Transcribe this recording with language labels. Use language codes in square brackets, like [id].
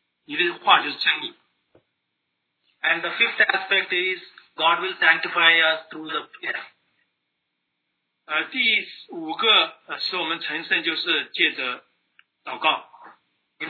[zh] 在约翰福音第17章这儿，主耶稣说，接近他们，你的话能够使他们得以接近，你的话就是真理。 [en] And the fifth aspect is, God will sanctify us through the prayer. [zh] 第五个使我们成圣就是借着祷告。 [en] In